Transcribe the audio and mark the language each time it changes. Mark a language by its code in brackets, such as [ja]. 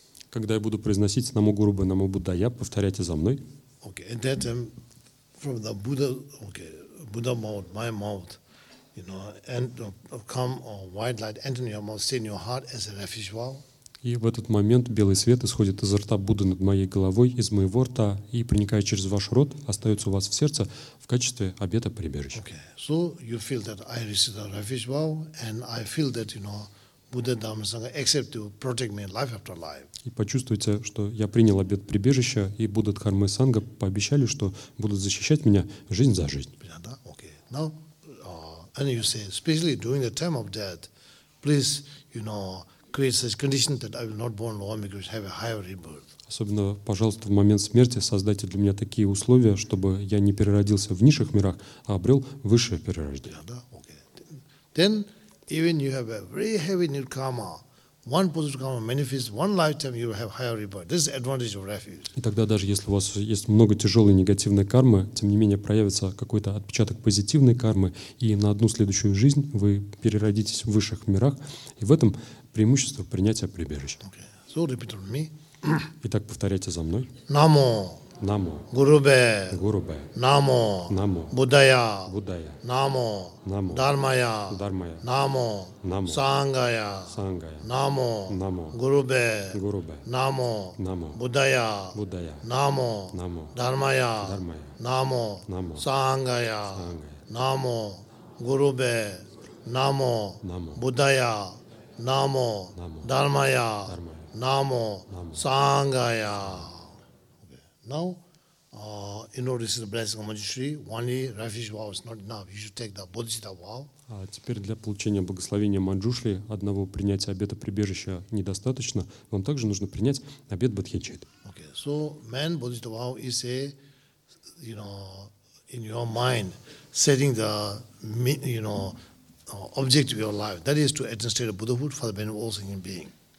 [ru] Когда я буду произносить Намо Гуру Бе Намо Буддхая, повторяйте за мной. [en] Okay. And that from the Buddha, okay, Buddha mouth, my mouth. You know, and come a white light enter your mouth, stay in your heart as a refuge wall. [ru] И в этот момент белый свет исходит изо рта Будды над моей головой, из моего рта, и проникая через ваш рот, остается у вас в сердце в качестве обета прибежища. [en] Okay. So you feel that I receive the refuge wall, and I feel that, you know, Buddha Dharma Sangha accept to protect me life after life. [ru] И почувствуйте, что я принял обет прибежища, и Будда Дхарма и Санга пообещали, что будут защищать меня жизнь за жизнь. Да, [en] okay. Now, and you say, especially during the time of death, please, you know, create such condition that I will not born lower because I have a higher rebirth. [ru] Особенно, пожалуйста, в момент смерти создайте для меня такие условия, чтобы я не переродился в низших мирах, а обрел высшее перерождение. [en] Yeah, okay. Then, even you have a very heavy nirkama, one positive karma manifests one lifetime, you will have higher rebirth. This is advantage of refuge. [ru] И тогда даже если у вас есть много тяжелой негативной кармы, тем не менее проявится какой-то отпечаток позитивной кармы, и на одну следующую жизнь вы переродитесь в высших мирах, и в этом преимущество принятия прибежища. [en] Okay. So repeat on me. [ru] Итак, повторяйте за мной. [sa] Намо. Намо. Гурубе. Гурубе. Намо. Намо. Буддая. Буддая. Намо. Намо. Дармая. Дармая. Намо. Намо. Сангая. Сангая. Намо. Намо. Гурубе. Гурубе. Намо. Намо. Буддая. Буддая. Намо. Намо. Дармая. Дармая. Намо. Намо. Сангая. Сангая. Намо. Гурубе. Намо. Намо. Буддая. Намо. Намо. Дармая. Дармая. Намо. Намо. Сангая. [en] Now, in order to receive the blessing of Manjushri, only refuge vow is not enough. You should take the Bodhisattva vow. [ru] Теперь для получения благословения Манджушри одного принятия обета прибежища недостаточно. Вам также нужно принять обет Бодхичит. [en] Okay. So, man Bodhisattva vow is a, you know, in your mind, setting the, you know, object of your life. That is to attain state of Buddhahood for the benefit of all sentient beings.